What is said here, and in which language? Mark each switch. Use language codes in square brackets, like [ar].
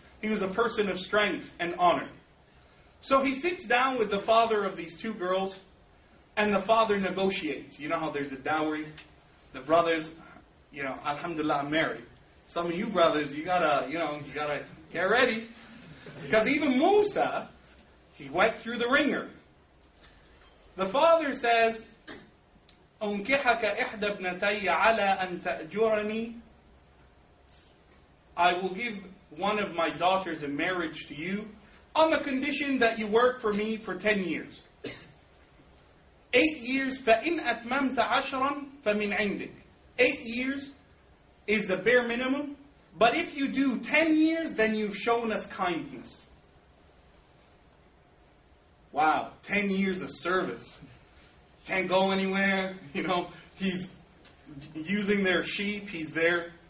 [en] He was a person of strength and honor. So he sits down with the father of these two girls, and the father negotiates. You know how there's a dowry? The brothers, you know, alhamdulillah, married. Some of you brothers, you gotta get ready. Because even Musa, he went through the ringer. The father says, [ar] أُنْكِحَكَ إِحْدَى ابْنَتَيَّ عَلَىٰ أَنْ تَأْجُرَنِي. [en] I will give one of my daughters in marriage to you on the condition that you work for me for 10 years. 8 years, [ar] فَإِنْ أَتْمَمْتَ عَشْرًا فَمِنْ عِنْدِكَ. [en] 8 years is the bare minimum. But if you do 10 years, then you've shown us kindness. Wow, 10 years of service. Can't go anywhere. You know, he's using their sheep. He's there.